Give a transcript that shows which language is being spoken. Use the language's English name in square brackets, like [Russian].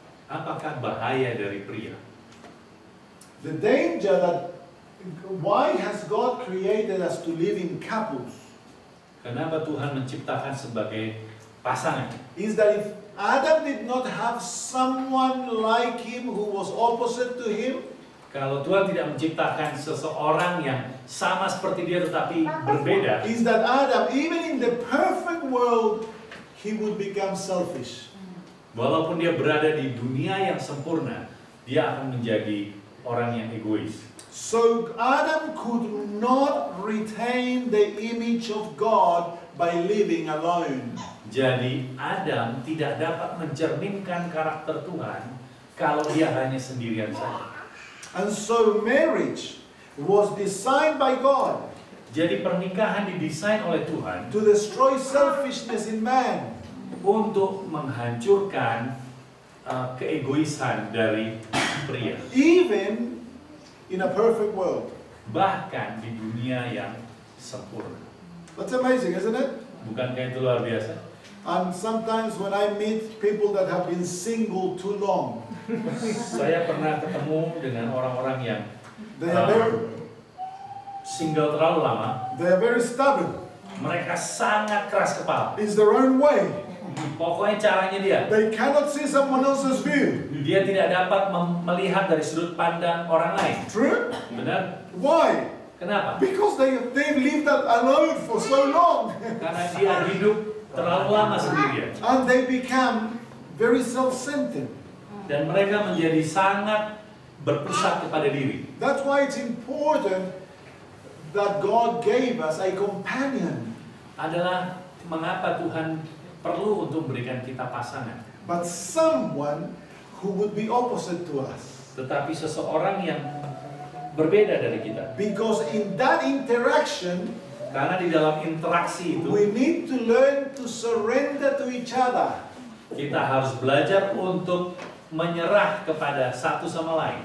[Indonesian] Apakah bahaya dari pria? [English] The danger that why has God created us to live in couples? [Indonesian] Kenapa Tuhan menciptakan sebagai pasangan? [English] Is that if Adam did not have someone like him who was opposite to him? [Indonesian] Kalau Tuhan tidak menciptakan seseorang yang sama seperti dia tetapi berbeda. [English] Is that Adam, even in the perfect world, he would become selfish? [Indonesian] Walaupun dia berada di dunia yang sempurna, dia akan menjadi orang yang egois. [English] So Adam could not retain the image of God by living alone. [Indonesian] Jadi Adam tidak dapat mencerminkan karakter Tuhan kalau dia hanya sendirian saja. [English] And so marriage was designed by God. [Indonesian] Jadi pernikahan didesain oleh Tuhan [English] to destroy selfishness in man. [Indonesian] Untuk menghancurkan keegoisan dari pria. [English] Even in a perfect world. [Indonesian] Bahkan di dunia yang sempurna. [English] That's amazing, isn't it? [Indonesian] Bukankah itu luar biasa? [English] And sometimes when I meet people that have been single too long. [Indonesian] Saya pernah ketemu dengan orang-orang yang single terlalu lama. [English] They are very stubborn. [Indonesian] Mereka sangat keras kepala. [English] It's their own way. [Indonesian] Pokoknya caranya dia. [English] They cannot see someone else's view. [Indonesian] Dia tidak dapat melihat dari sudut pandang orang lain. [English] True? [Indonesian] Benar. [English] Why? [Indonesian] Kenapa? [English] Because they've lived alone for so long. [Indonesian] Karena dia hidup terlalu lama sendirian. [English] And they become very self-centered. [Indonesian] Dan mereka menjadi sangat berpusat kepada diri. [English] That's why it's important that God gave us a companion. [Indonesian] Adalah mengapa Tuhan perlu untuk memberikan kita pasangan. [English] But someone who would be opposite to us. [Indonesian] Tetapi seseorang yang berbeda dari kita. [English] Because in that interaction, [Indonesian] karena di dalam interaksi itu, [English] we need to learn to surrender to each other. [Indonesian] Kita harus belajar untuk menyerah kepada satu sama lain.